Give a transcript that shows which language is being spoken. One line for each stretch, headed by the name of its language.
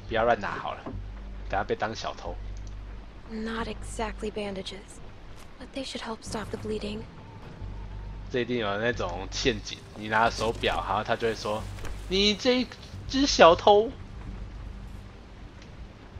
Chinese: 不要乱拿好了，等下被当小偷。
English: Not exactly bandages, but they should help stop the bleeding.
Chinese: 这一定有那种陷阱，你拿手表，然后他就会说：“你这只小偷。”